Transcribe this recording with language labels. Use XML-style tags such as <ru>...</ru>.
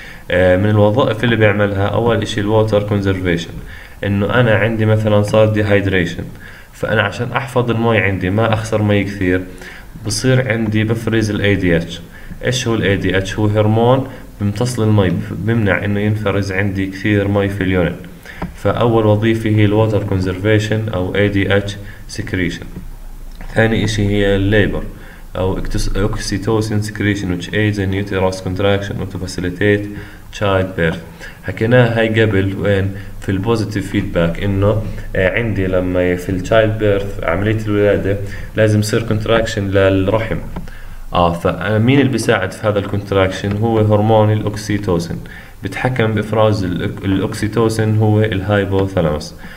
<ar>من الوظائف اللي بيعملها اول شيء الووتر كونزرفيشن، انه انا عندي مثلا صار ديهايدريشن، فانا عشان احفظ المي عندي ما اخسر مي كثير بصير عندي بفريز الاي دي اتش. ايش هو الاي دي اتش؟ هو هرمون بيمتص للمي، بيمنع انه ينفرز عندي كثير مي في اليونت. فاول وظيفه هي الووتر كونزرفيشن او اي دي اتش سكريشن. ثاني شيء هي</ar> <en>الليبر او oxytocin secretion which aids in uterus contraction to facilitate childbirth.</en> <ar>حكيناها هاي قبل وين في البوزيتيف فيدباك، انه عندي لما في التشايلد بيرث عمليه الولاده لازم يصير كونتراكشن للرحم. فمين اللي بيساعد في هذا الكونتراكشن؟ هو هرمون الاوكسيتوسين، بتحكم بافراز الاوكسيتوسين هو الهايبوثالامس.</ar>